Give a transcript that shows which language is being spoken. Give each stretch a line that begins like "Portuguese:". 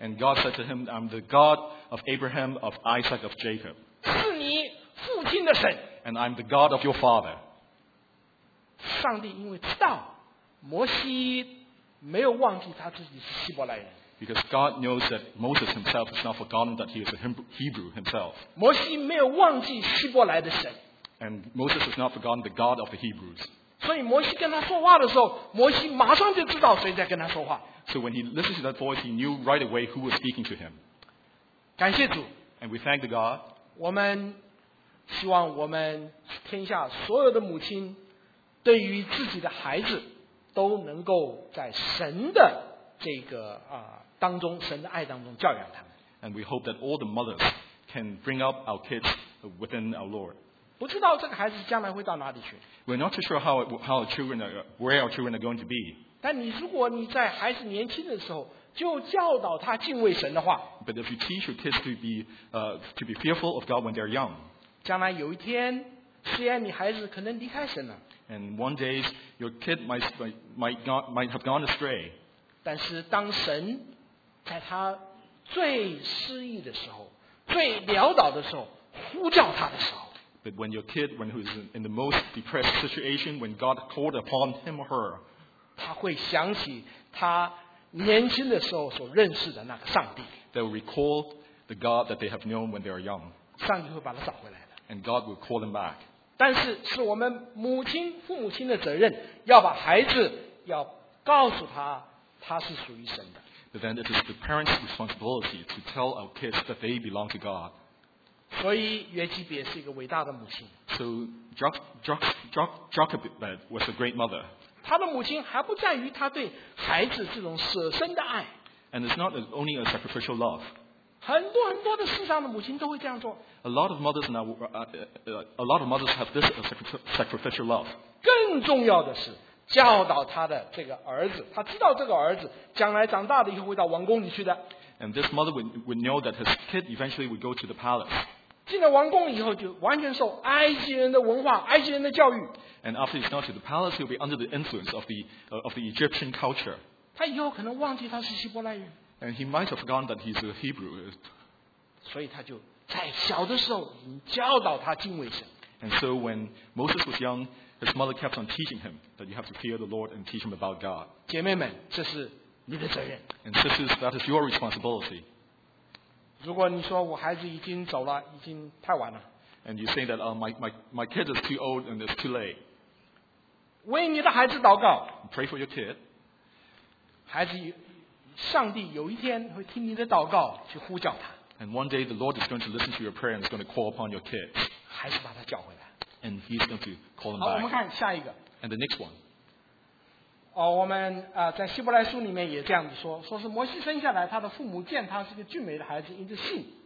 English: And God said to him, "I'm the God of Abraham, of Isaac, of Jacob."
Chinese: 是你父亲的神。
English: And I'm the God of your father.
Chinese: 上帝因为知道摩西没有忘记他自己是希伯来人。
English: Because God knows that Moses himself has not forgotten that he is a Hebrew himself.
Chinese: 摩西没有忘记希伯来的神。
English: And Moses has not forgotten the God of the Hebrews.
Chinese: 所以摩西跟他说话的时候，摩西马上就知道谁在跟他说话。
English: So when he listened to that voice, he knew right away who was speaking to him.
Chinese: 感谢主。
English: And we thank the God.
Chinese: 我们希望我们天下所有的母亲，对于自己的孩子，都能够在神的这个当中，神的爱当中教养他们。
English: And we hope that all the mothers can bring up our kids within our Lord.
Chinese: 不知道这个孩子将来会到哪里去。
English: We're not too sure how children are, where our children are going to be.
Chinese: 但你如果你在孩子年轻的时候就教导他敬畏神的话。
English: But if you teach your kids to be fearful of God when they're young.
Chinese: 将来有一天，虽然你孩子可能离开神了。
English: And one day your kid might have gone astray.
Chinese: 但是当神在他最失意的时候，最潦倒的时候，呼叫他的时候。
English: But when your kid, when who is in the most depressed situation, when God called upon him or her,
Chinese: 他会想起他年轻的时候所认识的那个上帝。
English: They will recall the God that they have known when they are young.
Chinese: 上帝会把他找回来的。
English: And God will call him back.
Chinese: 但是是我们母亲、父母亲的责任，要把孩子要告诉他，他是属于神的。
English: But then it is the parents' responsibility to tell our kids that they belong to God.
Chinese: 所以约基别是一个伟大的母亲。
English: So Jochebed was a great mother.
Chinese: 她的母亲还不在于她对孩子这种舍身的爱。
English: And it's not only a sacrificial love.
Chinese: 很多很多的世上的母亲都会这样做。
English: A lot of mothers have this sacrificial love.
Chinese: 更重要的是教导她的这个儿子，她知道这个儿子将来长大了以后会到王宫里去的。
English: And this mother would know that his kid eventually would go to the palace.
Chinese: 进了王宫以后就完全受埃及人的文化，埃及人的教育。
English: And after he's gone to the palace, he'll be under the influence of the Egyptian culture.
Chinese: 他以后可能忘记他是希伯来人。
English: And he might have forgotten that he's a Hebrew.
Chinese: 所以他就在小的时候已经教导他敬畏神。
English: And so when Moses was young, his mother kept on teaching him that you have to fear the Lord and teach him about God.
Chinese: 姐妹们，这是你的责任。
English: And sisters, that is your responsibility.
Chinese: 如果你说我孩子已经走了，已经太晚了。
English: And you say that my kid is too old and it's too late.
Chinese: 为你的孩子祷告。
English: Pray for your kid.
Chinese: 孩子，上帝有一天会听你的祷告去呼叫他。
English: And one day the Lord is going to listen to your prayer and is going to call upon your kid.
Chinese: 还是把他叫回来。
English: And he's going to call him back.
Chinese: 好，我们看下一个。
English: And the next one.
Chinese: 我们在希伯来书里面也这样子说，说是摩西生下来，他的父母见他是个俊美的孩子，因着信。